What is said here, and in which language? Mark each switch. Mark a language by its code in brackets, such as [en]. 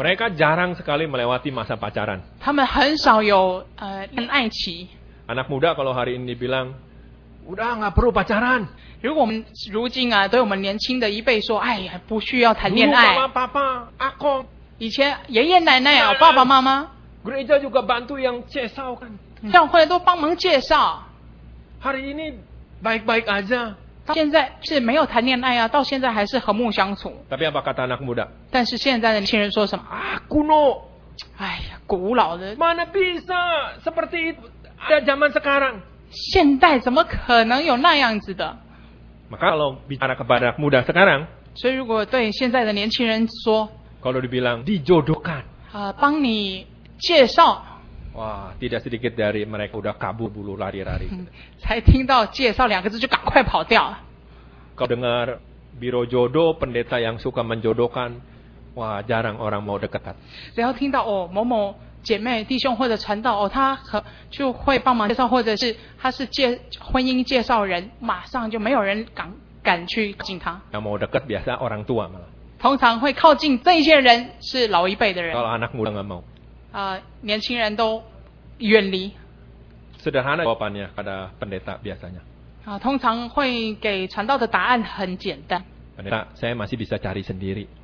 [id] Mereka jarang sekali melewati masa pacaran. [zh] 他们很少有恋爱期. [id] Anak muda kalau hari ini bilang. Udah, enggak perlu pacaran. [zh] 如果我们如今啊, 对我们年轻的一辈说, 哎呀, 不需要谈恋爱。爸爸, 爸爸, 阿公, 以前爷爷奶奶, 奶奶, 爸爸, 妈妈, [id] gereja juga bantu yang [zh] 介绍看, 教会都帮忙介绍。 [id] Hari ini baik-baik aja. [zh] 现在是没有谈恋爱啊, 到现在还是和睦相处。 [id] Tapi apa kata anak muda? [zh] 但是现在的年轻人说什么? [id] Ah, kuno. [zh] 哎呀, 古老的。 [id] Mana bisa seperti itu zaman sekarang. [zh] 现代怎么可能有那样子的? [id] Maka kalau bicara kepada muda sekarang, [zh] 所以如果对现在的年轻人说, [id] kalau dibilang dijodohkan, [zh] 帮你介绍, [id] wah, tidak sedikit dari mereka sudah kabur bulu lari-lari. [zh] 才听到介绍两个字就赶快跑掉。 [id] Kalau dengar biro jodoh, pendeta yang suka menjodohkan, wah, jarang orang mau dekat. [zh] 只要听到, oh, 某某, 姐妹弟兄或者传道，哦，他就会帮忙介绍，或者是他是婚姻介绍人，马上就没有人敢去靠近他。 [id] Yang mau dekat biasa orang tua malah. [zh] 通常会靠近这些人是老一辈的人。 [id] Kalau anak muda nggak mau. [zh] 年轻人都远离。 [id] Sederhana jawabannya pada pendeta biasanya. [zh] 通常会给传道的答案很简单。 [id] Pendeta, saya masih bisa cari sendiri.